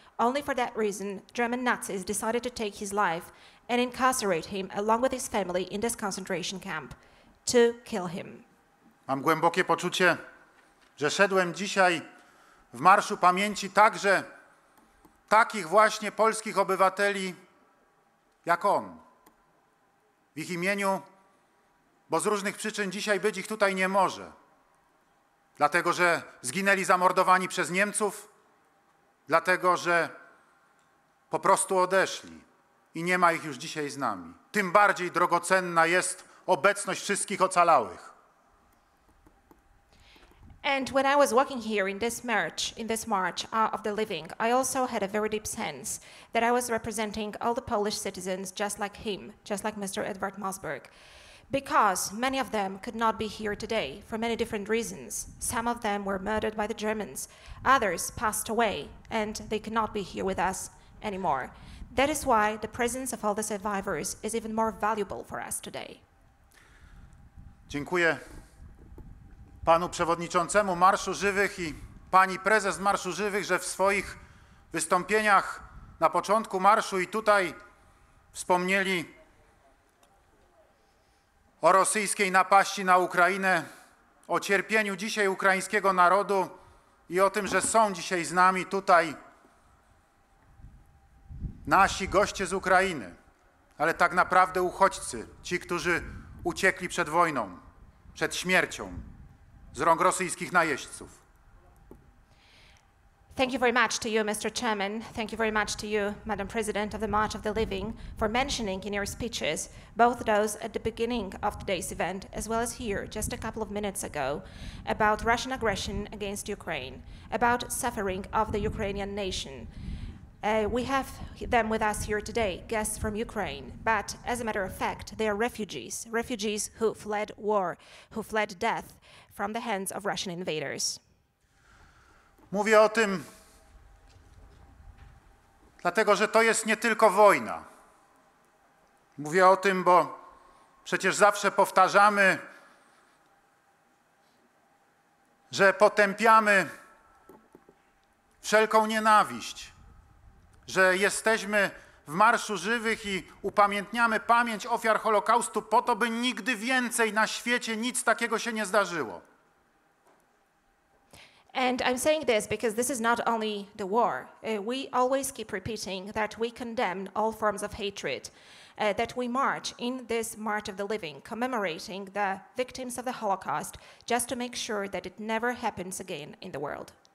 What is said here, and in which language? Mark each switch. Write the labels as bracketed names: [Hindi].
[English] Only for that reason, German Nazis decided to take his life and incarcerate him along with his family in this concentration camp to kill him. [Polish] Mam głębokie poczucie, że szedłem dzisiaj w marszu pamięci także takich właśnie polskich obywateli jak on. W ich imieniu, bo z różnych przyczyn dzisiaj być ich tutaj nie może. Dlatego, że zginęli zamordowani przez Niemców, dlatego, że po prostu odeszli i nie ma ich już dzisiaj z nami. Tym bardziej drogocenna jest obecność wszystkich ocalałych. [English] And when I was walking here in this march of the living, I also had a very deep sense that I was representing all the Polish citizens just like him, just like Mr. Edward Mosberg, because many of them could not be here today for many different reasons. Some of them were murdered by the Germans, others passed away, and they could not be here with us anymore. That is why the presence of all the survivors is even more valuable for us today. [Polish] Dziękuję panu przewodniczącemu Marszu Żywych i pani prezes Marszu Żywych, że w swoich wystąpieniach na początku marszu i tutaj wspomnieli o rosyjskiej napaści na Ukrainę, o cierpieniu dzisiaj ukraińskiego narodu i o tym, że są dzisiaj z nami tutaj nasi goście z Ukrainy, ale tak naprawdę uchodźcy, ci, którzy uciekli przed wojną, przed śmiercią z rąk rosyjskich najeźdźców. [English] Thank you very much to you, Mr. Chairman. Thank you very much to you, Madam President of the March of the Living, for mentioning in your speeches, both those at the beginning of today's event, as well as here, just a couple of minutes ago, about Russian aggression against Ukraine, about suffering of the Ukrainian nation, We have them with us here today, guests from Ukraine. But as a matter of fact, they are refugees, refugees who fled war, who fled death from the hands of Russian invaders. [Polish] Mówię o tym, dlatego że to jest nie tylko wojna. Mówię o tym, bo przecież zawsze powtarzamy, że potępiamy wszelką nienawiść, że jesteśmy w Marszu Żywych i upamiętniamy pamięć ofiar Holokaustu po to, by nigdy więcej na świecie nic takiego się nie zdarzyło. [English] And I'm saying this because this is not only the war. We always keep repeating that we condemn all forms of hatred, that we march in this March of the Living, commemorating the victims of the Holocaust, just to make sure that it never happens again in the world.